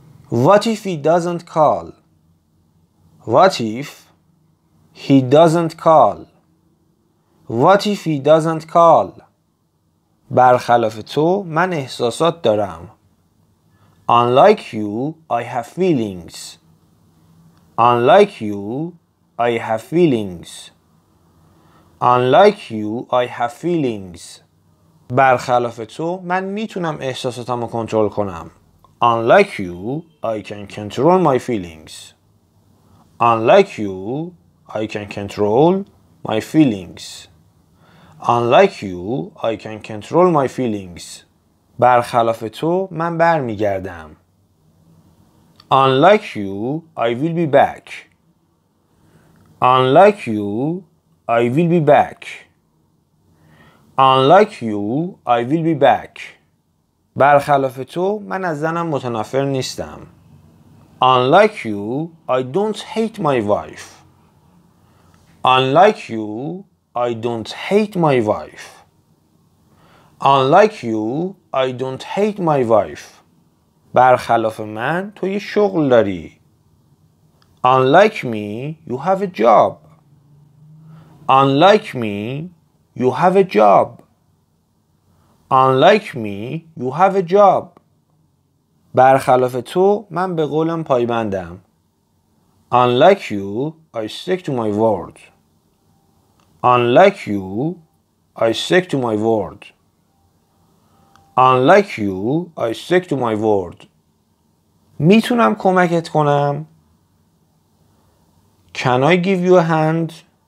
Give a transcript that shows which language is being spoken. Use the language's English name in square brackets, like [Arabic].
[English] What if he doesn't call؟ What if he doesn't call؟ What if he doesn't call؟ [Persian] برخلاف تو من احساسات دارم. [English] Unlike you, I have feelings. Unlike you, I have feelings. Unlike you, I have feelings. [Persian] برخلاف تو من میتونم احساساتم رو کنترل کنم. [English] Unlike you, I can control my feelings. Unlike you, I can control my feelings. Unlike you, I can control my feelings. [Persian] برخلاف تو من برمیگردم. [English] Unlike you, I will be back. Unlike you, I will be back. Unlike you, I will be back. [Persian] برخلاف تو من از زنم متنفر نیستم. [English] Unlike you, I don't hate my wife. Unlike you, I don't hate my wife. Unlike you, I don't hate my wife. [Persian] برخلاف من تو یه شغل داری. [English] Unlike me, you have a job. Unlike me, you have a job. Unlike me, you have a job. [Persian] برخلاف تو من به قولم پایبندم. [English] Unlike you, I stick to my word. Unlike you, I stick to my word. Unlike you, I stick to my word. [Persian] میتونم کمکت کنم؟ [English] Can I give you a hand?